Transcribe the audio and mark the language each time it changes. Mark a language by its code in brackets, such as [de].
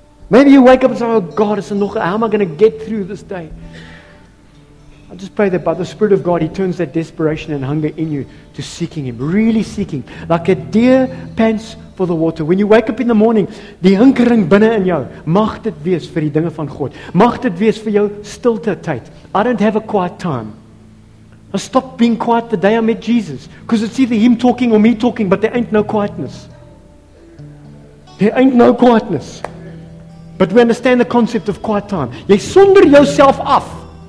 [en] Maybe you wake up and say, oh God, it's another, how am I going to get through this day? I just pray that by the Spirit of God, He turns that desperation and hunger in you to seeking Him, really seeking, like a deer pants for the water. When you wake up in the morning, [af] die hinkering binnen in jou, mag dit wees vir die dinge van God. Mag dit wees vir jou stilte tyd. [en] I don't have a quiet time. I stopped being quiet the day I met Jesus, because it's either Him talking or me talking, but there ain't no quietness. There ain't no quietness. But we understand the concept of quiet time. [af] Jy sonder jouself af.